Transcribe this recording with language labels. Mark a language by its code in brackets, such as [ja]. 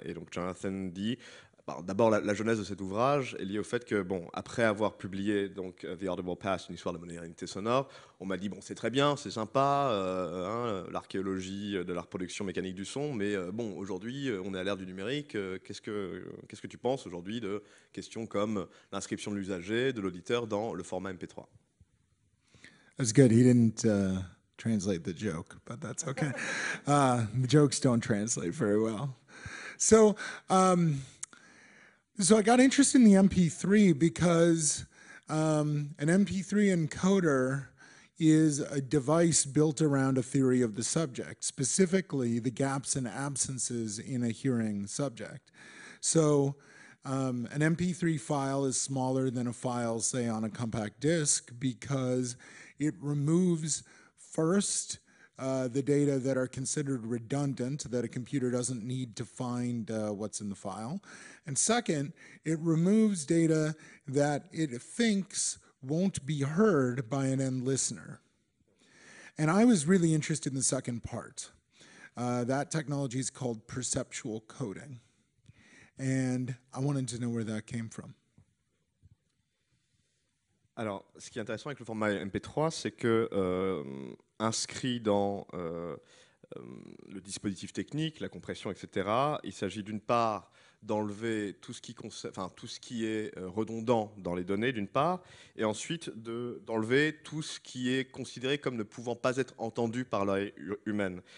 [fr] Et donc Jonathan dit, d'abord la genèse de cet ouvrage est liée au fait que, bon, après avoir publié donc, The Audible Past, une histoire de modernité sonore, on m'a dit, bon, c'est très bien, c'est sympa, l'archéologie de la reproduction mécanique du son, mais bon, aujourd'hui, on est à l'ère du numérique, qu'est-ce que tu penses aujourd'hui de questions comme l'inscription de l'usager, de l'auditeur dans le format MP3? [en] That's good, he didn't translate the joke, but that's okay. The jokes don't translate very well. So I got interested in the MP3 because an MP3 encoder is a device built around a theory of the subject, specifically the gaps and absences in a hearing subject. So an MP3 file is smaller than a file, say, on a compact disc because it removes first the data that are considered redundant, that a computer doesn't need to find what's in the file. And second, it removes data that it thinks won't be heard by an end listener. And I was really interested in the second part. That technology is called perceptual coding. And I wanted to know where that came from. [fr] Alors, ce qui est intéressant avec le format MP3, c'est que inscrit dans le dispositif technique, la compression, etc., il s'agit d'une part d'enlever tout ce qui est redondant dans les données, d'une part, et ensuite d'enlever tout ce qui est considéré comme ne pouvant pas être entendu par l'œil humain.